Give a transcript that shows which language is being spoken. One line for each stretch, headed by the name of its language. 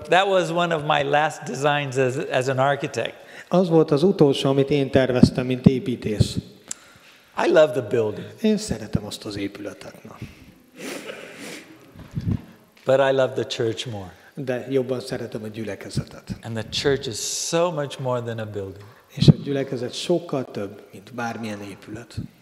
English: That was one of my last designs as an architect.
Hungarian: Az volt az utolsó, amit én terveztem, mint építész.
English: I love the building.
Hungarian: Én szeretem azt az épületet. Na.
English: But I love the church more.
Hungarian: De jobban szeretem a gyülekezetet.
English: And the church is so much more than a building.
Hungarian: És a gyülekezet sokkal több, mint bármilyen épület.